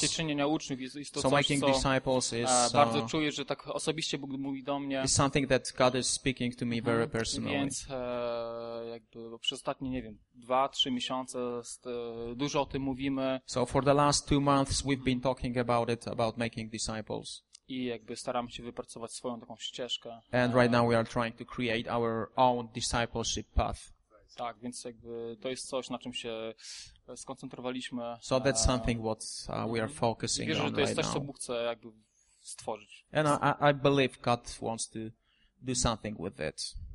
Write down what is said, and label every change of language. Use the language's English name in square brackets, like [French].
[Polish] Tak, temacie czynienia uczniów jest to [English] so [Polish] coś, [English] making [Polish] co [English] disciples is, [Polish] bardzo czuję, że tak osobiście Bóg mówi do mnie. [English] It's something that God is speaking to me very personally. [Polish] Więc jakby przez ostatnie, nie wiem, 2-3 miesiące dużo o tym mówimy. [English] So for the last 2 months we've been talking about it, about making disciples. [Polish] I jakby staramy się wypracować swoją taką ścieżkę. [English] And right now we are trying to create our own discipleship path. [Polish] Tak, więc jakby to jest coś, na czym się skoncentrowaliśmy. [English] So that's something what we are focusing on right now. [Polish] Wierzę, że to jest [English] right [Polish] coś, co Bóg chce jakby stworzyć. [English] And I believe God wants to do something with it.